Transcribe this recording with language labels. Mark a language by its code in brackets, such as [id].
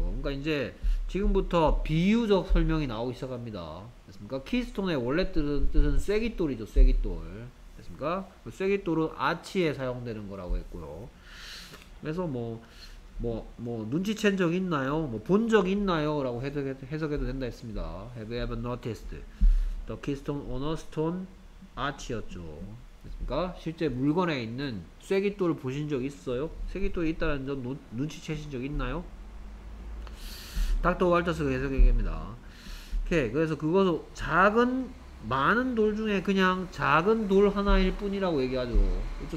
[ko] 그러니까 이제 지금부터 비유적 설명이 나오기 시작합니다. 됐습니까? 키스톤의 원래 뜻은 쐐기돌이죠. 쐐기돌. 됐습니까? 그 쐐기돌은 아치에 사용되는 거라고 했고요. 그래서 뭐 눈치챈 적 있나요? 뭐 본 적 있나요? 라고 해석해도 된다 했습니다. [en] Have you ever noticed the keystone on a stone arch 였죠. [ko] 됐습니까? 실제 물건에 있는 쐐기돌을 보신 적 있어요? 쐐기돌이 있다는 점 눈치채신 적 있나요? 닥터 왈터스가 해석 얘기입니다. 오케이. 그래서 그것은 작은 많은 돌 중에 그냥 작은 돌 하나일 뿐이라고 얘기하죠. 그렇죠?